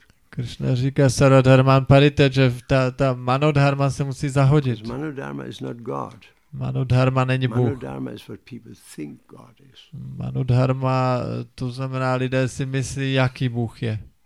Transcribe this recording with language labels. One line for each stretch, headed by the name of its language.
Czech: Krishna říká, Saradharman parite, že ta manodharma se musí zahodit.
English: Manodharma is not God.
Czech: Manodharma není Bůh.
English: Manodharma is what people think God is.
Czech: Manodharma, to znamená, lidé si myslí, jaký Bůh je.